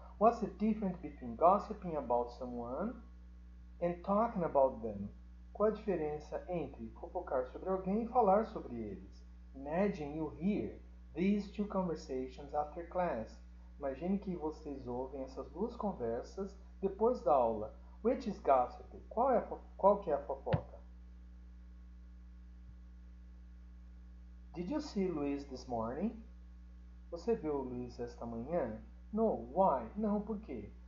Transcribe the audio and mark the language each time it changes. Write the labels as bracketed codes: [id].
[en] What's the difference between gossiping about someone and talking about them? [pt] Qual a diferença entre fofocar sobre alguém e falar sobre eles? [en] Imagine you hear these two conversations after class. [pt] Imagine que vocês ouvem essas duas conversas depois da aula. [en] Which is gossip? [pt] Qual que é a fofoca? [en] Did you see Luis this morning? [pt] Você viu o Luis esta manhã? [en] No, why? [pt] Não, por quê?